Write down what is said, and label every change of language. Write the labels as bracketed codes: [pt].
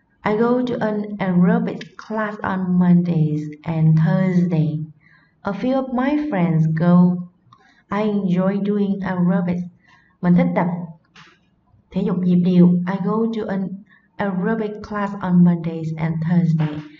[en] I go to an aerobics class on Mondays and Thursday. A few of my friends go. I enjoy doing aerobics. [vi] Mình thích tập thể dục nhịp điệu. [en] I go to an aerobics class on Mondays and Thursday.